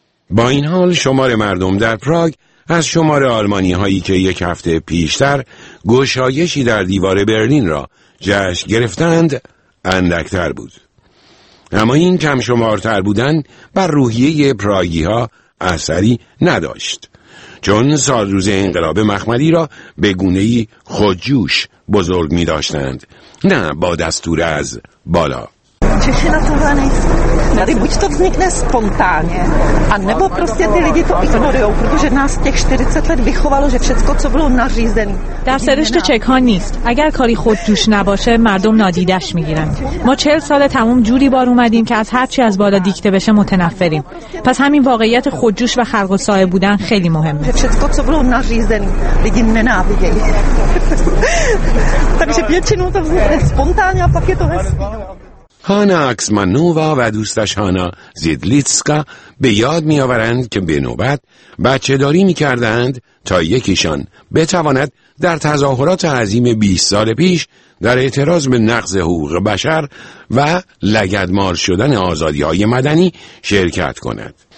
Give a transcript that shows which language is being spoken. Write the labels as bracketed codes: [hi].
[fa] با این حال شمار مردم در پراگ از شمار آلمانی‌هایی که یک هفته پیشتر گشایشی در دیوار برلین را جشن گرفتند اندکتر بود، اما این کم شمارتر بودن بر روحیه پراگی ها اثری نداشت، چون سال روز انقلاب مخملی را به گونه‌ای خودجوش بزرگ می داشتند، نه با دستور از بالا. [cs] Češi na tohle nejsou. Tady buď to vznikne spontánně, anebo prostě ty lidi to ignorujou, protože nás těch 40 let vychovalo, že všecko, co bylo nařízené. [fa] در سرشت چک ها نیست. اگر کاری خود جوش نباشه مردم نادیدش میگیرن. ما 40 سال تموم جوری بار اومدیم که از هر چی از بالا دیکته بشه متنفریم. پس همین واقعیت خود جوش و خلق و سایه بودن خیلی مهمه. [cs] Všecko, co bylo nařízené, lidi nenávidějí. Takže většinou to vznikne spontánně a pak je to hezký. [fa] هانا اکسمانووا و دوستش هانا زیدلیتسکا به یاد می آورند که به نوبت بچه داری می کردند تا یکیشان بتواند در تظاهرات عظیم 20 سال پیش در اعتراض به نقض حقوق بشر و لگدمال شدن آزادی های مدنی شرکت کند.